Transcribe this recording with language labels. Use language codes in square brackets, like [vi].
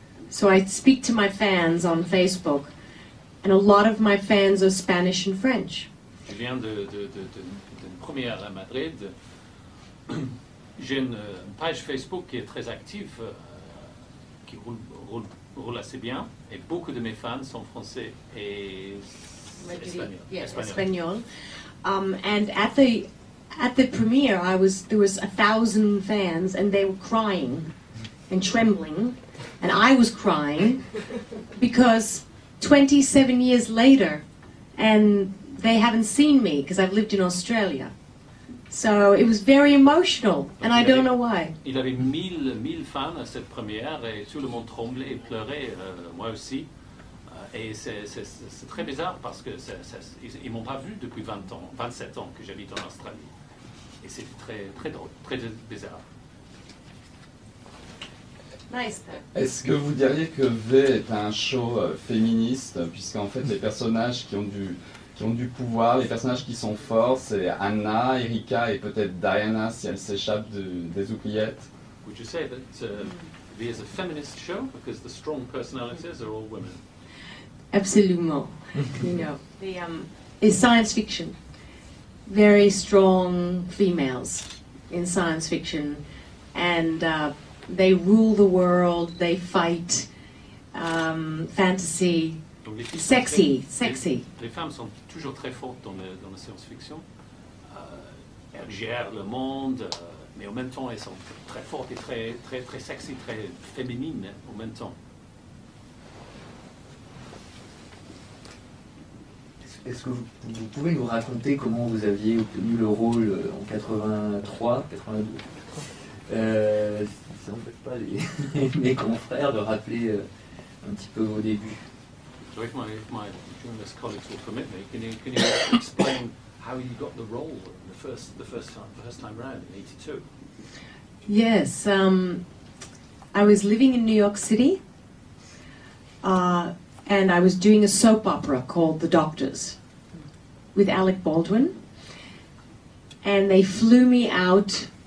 [en] So I speak to my fans on Facebook, and a lot of my fans are Spanish and French. [fr] Je viens d'une première à Madrid. J'ai une page Facebook qui est très active. Qui roule assez bien et beaucoup de mes fans sont français et espagnol. [en] And at the premiere, there was 1,000 fans and they were crying and trembling, and I was crying because 27 years later, and they haven't seen me because I've lived in Australia. So it was very emotional, and I don't know why. [fr] Il avait mille fans à cette première, et tout le monde tremblait et pleurait, moi aussi. Et c'est très bizarre parce que ils m'ont pas vu depuis 20 ans, 27 ans que j'habite en Australie. Et c'est très très drôle, très bizarre. Est-ce que vous diriez que V est un show féministe, puisqu'en fait les personnages qui ont du pouvoir, les personnages qui sont forts, c'est Anna, Erika et peut-être Diana si elle s'échappe des oubliettes. [en] Would you say that V is a feminist show because the strong personalities are all women? Absolument. You know, it's science fiction. Very strong females in science fiction, and they rule the world, they fight, fantasy, sexy. [fr] Les femmes sont toujours très fortes dans la science-fiction. Elles gèrent le monde, mais en même temps, elles sont très fortes et très, très, très sexy, très féminines en même temps. Est-ce que vous pouvez nous raconter comment vous aviez obtenu le rôle en 83, 82 ça n'empêche pas mes confrères de rappeler un petit peu vos débuts. [en] So if my journalist colleagues will permit me, can you explain how you got the role the first time round in 82? Yes, I was living in New York City, and I was doing a soap opera called The Doctors with Alec Baldwin, and they flew me out.